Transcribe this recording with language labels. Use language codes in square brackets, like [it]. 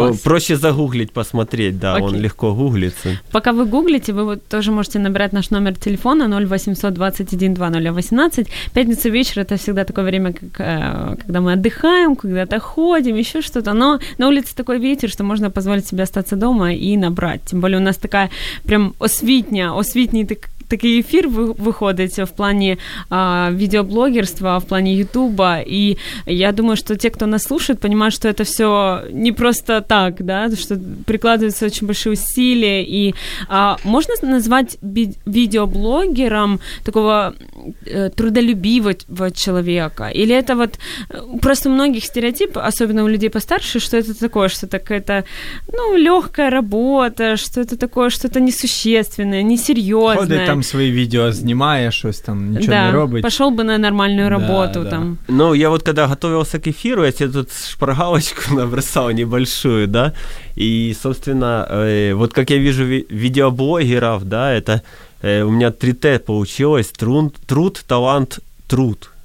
[ru] Проще загуглить, посмотреть, да, он легко гуглится. Пока вы гуглите, вы тоже можете набирать наш номер телефона 0800-21-2018. Пятница вечер — это всегда такое время, когда мы отдыхаем, когда-то ходим, еще что-то, но на улице такой ветер, что можно позволить себе остаться дома и набрать. Тем более у нас такая прям [uk] освітній такий ефір виходить в плані відеоблогерства, в плані Ютуба, і я думаю, що ті, хто нас слухає, розуміють, що це все не просто так, да, що прикладаються дуже великі зусилля, і можна назвати відеоблогером такого трудолюбивого чоловіка? Или це [ru] вот просто у многих [uk] стереотип, особливо [ru] у людей постарше, [uk] що це таке, що таке, ну, легка робота, що це таке, що це несущественне, несерйозне. [ru] Свои видео снимая, что-то там ничего да, [uk] не робить. [ru] Пошел бы на нормальную работу, да, там. Да. Ну, я вот когда готовился к эфиру, я себе тут шпаргалочку набросал небольшую, да, и, собственно, вот как я вижу видеоблогеров, да, это у меня 3Т получилось, труд, талант, труд.